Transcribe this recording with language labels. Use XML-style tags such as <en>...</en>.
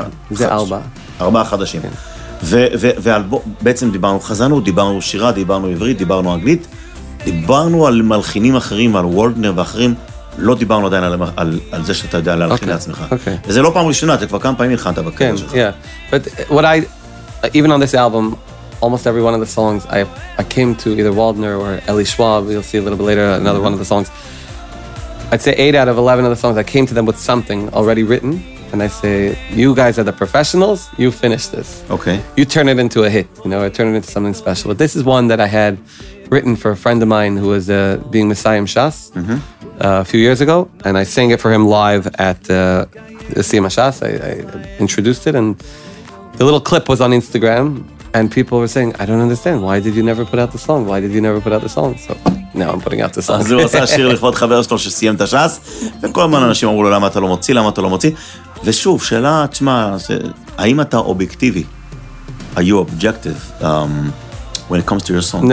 <he>זה 4. 4 חדשים. ובעצם דיברנו חזנו, דיברנו שירה, דיברנו עברית, דיברנו אנגלית, דיברנו על מלחינים אחרים, על וולדנר ואחרים, לא דיברנו עדיין על זה שאתה יודע להלחין לעצמך. וזה לא פעם ראשונה, אתה כבר כמה פעמים הלחנת בקריירה שלך. כן, כן. אבל גם על האלבום הזה,</he> <en>almost every one of the songs, I came to either Waldner or Eli Schwab, you'll see a little bit later, another one of the songs. I'd say 8 out of 11 of the songs, I came to them with something already written, and I say, you guys are the professionals, you finish this. Okay. You turn it into a hit, you know, I turn it into something special. But this is one that I had written for a friend of mine who was being Misayim Shas a few years ago, and I sang it for him live at the Siyama Shas. I introduced it, and the little clip was on Instagram, and people were saying, I don't understand, why did you never put out the song? Why did you never put out the song? So now I'm putting out the song.</en> <he>אז הוא עשה שיר לכבוד חבר שלו שסיים את השעס, וכל מיני אנשים אמרו לו, למה אתה לא מוציא, למה אתה לא מוציא? ושוב, שאלה, תשמע, האם אתה אובייקטיבי?</he> <en>Are you objective when it comes to your songs?</en>